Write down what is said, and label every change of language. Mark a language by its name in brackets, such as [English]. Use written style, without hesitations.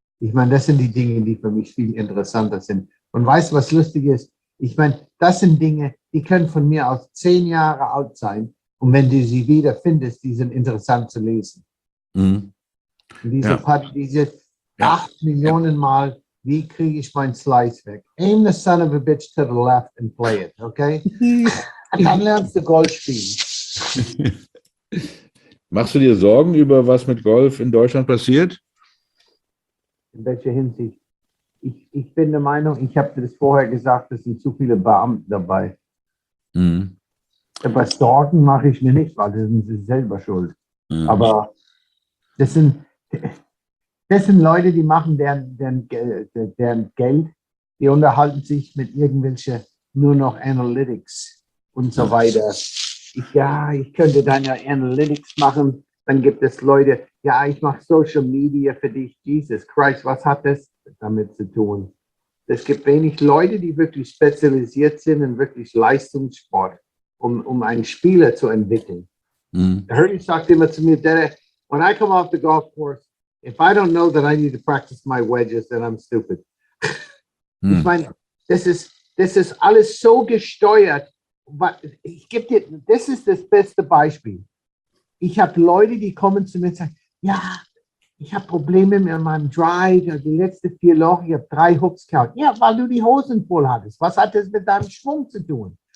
[German] Ich meine, das sind die Dinge, die für mich viel interessanter sind. Und weißt du, was lustig ist? Ich meine, das sind Dinge, die können von mir aus 10 Jahre alt sein. Und wenn du sie wieder findest, die sind interessant zu lesen. Mhm. Diese diese 8 Millionen Mal, wie kriege ich mein Slice weg? [English] Aim the son of a bitch to the left and play it, okay? [German] Und dann lernst du Golf spielen. Machst du dir Sorgen über, was mit Golf in Deutschland passiert? In welcher Hinsicht? Ich bin der Meinung, ich habe dir das vorher gesagt, es sind zu viele Beamte dabei. Mhm. Aber Sorgen mache ich mir nicht, weil das sind sie selber schuld. Mhm. Aber das sind Leute, die machen deren Geld, die unterhalten sich mit irgendwelchen nur noch Analytics und so weiter. Ich könnte dann ja Analytics machen. Dann gibt es Leute, ja, ich mache Social Media für dich. [English] Jesus Christ, [German] was hat das damit zu tun? Es gibt wenig Leute, die wirklich spezialisiert sind in wirklich Leistungssport, um einen Spieler zu entwickeln. Mm. [English] Hurley [German] sagt immer zu mir, [English] Daddy, when I come off the golf course, if I don't know that I need to practice my wedges, then I'm stupid. Mm. [German] Ich meine, das ist alles so gesteuert. Das ist das beste Beispiel. Ich habe Leute, die kommen zu mir und sagen, ja, ich habe Probleme mit meinem Drive, die letzten 4 Loch, ich habe 3 Hooks gehabt. Ja, weil du die Hosen voll hattest. Was hat das mit deinem Schwung zu tun?